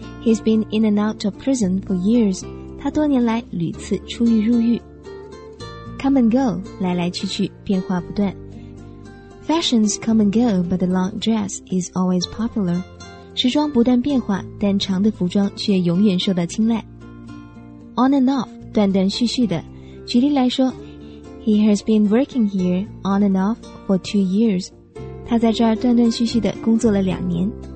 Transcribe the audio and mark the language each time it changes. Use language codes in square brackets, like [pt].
[en] He's been in and out of prison for years. [zh] 他多年来屡次出狱入狱。 Come and go, 来来去去，变化不断。 [en] Fashions come and go, but the long dress is always popular. [zh] 时装不断变化，但长的服装却永远受到青睐。 On and off, 断断续续的。举例来说， [en] He has been working here on and off for 2 years. [zh] 他在这儿断断续续地工作了两年。